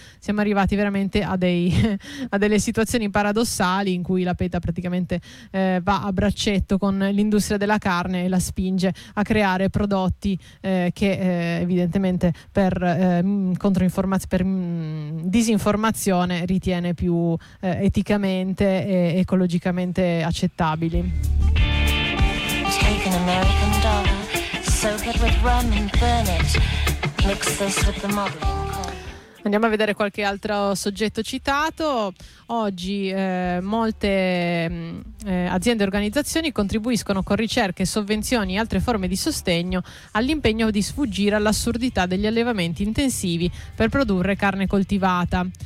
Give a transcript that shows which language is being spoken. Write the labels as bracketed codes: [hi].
[it] siamo arrivati veramente a delle situazioni paradossali in cui la PETA praticamente va a braccetto con l'industria della carne e la spinge a creare prodotti che evidentemente per controinformazione, per disinformazione ritiene più eticamente e ecologicamente accettabili. [en] Take an American dollar, soak it with rum and burn it. Mix this with the modeling. [it] Andiamo a vedere qualche altro soggetto citato. Oggi molte aziende e organizzazioni contribuiscono con ricerche, sovvenzioni e altre forme di sostegno all'impegno di sfuggire all'assurdità degli allevamenti intensivi per produrre carne coltivata.